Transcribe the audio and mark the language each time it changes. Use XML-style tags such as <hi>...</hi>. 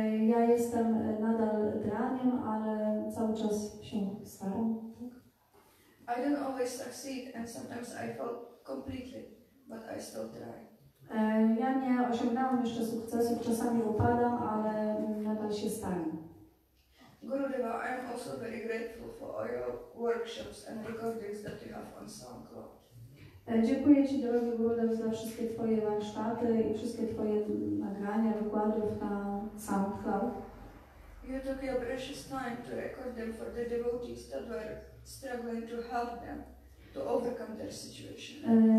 <pl>Ja jestem nadal draniem, ale cały czas się staram.</pl> <en>I don't always succeed and sometimes I fail completely, but I still try.</en> <pl>Ja nie osiągnęłam jeszcze sukcesów, czasami upadam, ale nadal się staram.</pl> <en>Gurudeva, I am also very grateful for all your workshops and recordings that you have on SoundCloud.</en> <pl>Dziękuję Ci, drogi Gurudev, za wszystkie Twoje warsztaty i wszystkie Twoje nagrania, wykładów na SoundCloud.</pl> <en>You took your precious time to record them for the devotees that were struggling to help them to overcome their situation.</en>